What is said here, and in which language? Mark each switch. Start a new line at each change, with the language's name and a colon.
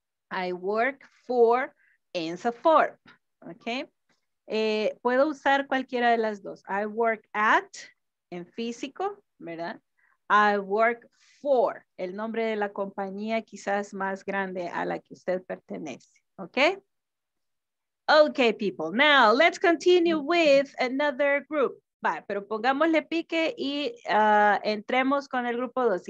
English: I work for INSAFORP, okay?
Spanish: Puedo usar cualquiera de las dos.
English: I work at,
Spanish: en físico, ¿verdad?
English: I work for,
Spanish: el nombre de la compañía quizás más grande a la que usted pertenece, okay?
English: Okay, people, now let's continue with another group.
Spanish: Vale, pero pongámosle pique y entremos con el grupo 2.